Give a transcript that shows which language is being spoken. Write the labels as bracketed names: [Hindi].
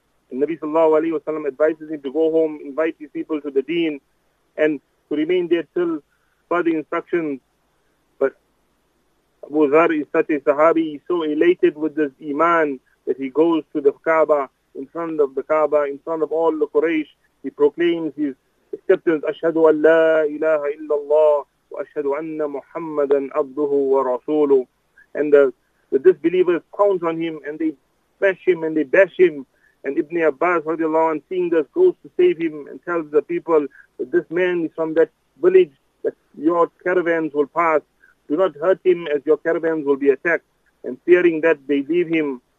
[English] And Nabi sallallahu alayhi wa sallam advises him to go home, invite his people to the deen, and to remain there till further instructions. But Abu Dharr is such a Sahabi, he's so elated with this iman that he goes to the Kaaba, in front of the Kaaba, in front of all the Quraysh, he proclaims his acceptance, [Arabic] Ashhadu an la ilaha illallah, وأشهد أن محمدا عبده ورسوله. [English] And the disbelievers pounce on him and they bash him and they bash him. And Ibn Abbas radiallahu anhu, seeing this, goes to save him and tells the people that this man is from that village that your caravans will pass. Do not hurt him as your caravans will be attacked. And fearing that, they leave him.